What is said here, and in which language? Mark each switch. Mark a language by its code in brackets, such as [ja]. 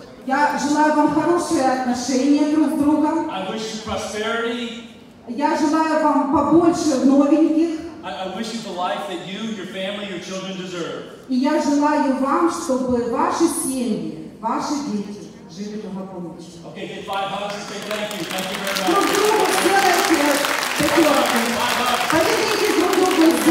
[ru] Я желаю вам хорошие отношения друг с другом. [en] I wish you prosperity. [ru] Я желаю вам побольше новеньких. [en] I wish you the life that you, your family, your children deserve. [ru] И я желаю вам, чтобы ваши семьи, ваши дети жили благополучно. [en] Okay, get 500. Say thank you. Thank you very much. [ru] Друг другу сделайте пятерку. Поднимите друг другу руки.